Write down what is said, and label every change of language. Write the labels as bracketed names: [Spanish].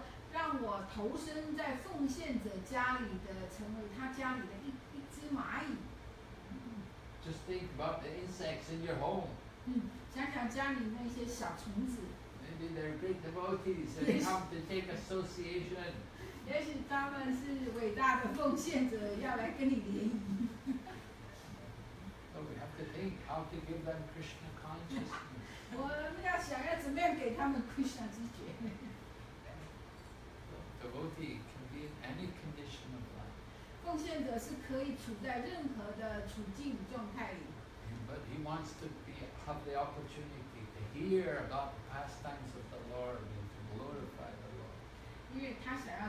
[Chinese] 让我投身在奉献者家里的，成为他家里的一只蚂蚁。 [English] Just think about the insects in your home. [Chinese] 想想家里那些小虫子。 [English] Maybe they're great devotees and they come to take association. [Chinese] 也许他们是伟大的奉献者，要来跟你联谊。 [English] So we have to think how to give them Krishna consciousness. [Chinese] 我们要想要怎么样给他们Krishna知觉。 [English] Devotee can be in any condition of life. [Chinese] 奉献者是可以处在任何的处境状态里。 [English] But he wants to have the opportunity to hear about the pastimes of the Lord and to glorify the Lord.